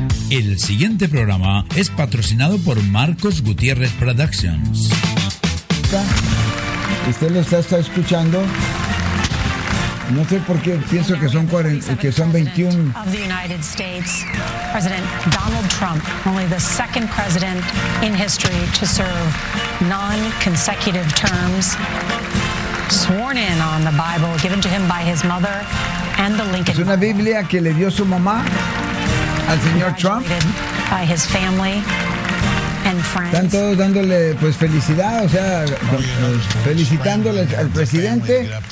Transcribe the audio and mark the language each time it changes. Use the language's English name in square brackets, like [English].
[Spanish] El siguiente programa es patrocinado por Marcos Gutiérrez Productions. ¿Usted lo está escuchando? No sé por qué pienso que son 40, que son 21. [English] Of the United States, President Donald Trump, only the second president in history to serve non-consecutive terms, sworn in on the Bible given to him by his mother and the Lincoln. [Spanish] Es una Biblia que le dio su mamá al señor Trump. [English] By his family. [Spanish] Están todos dándole pues felicidad, o sea, felicitándole al presidente.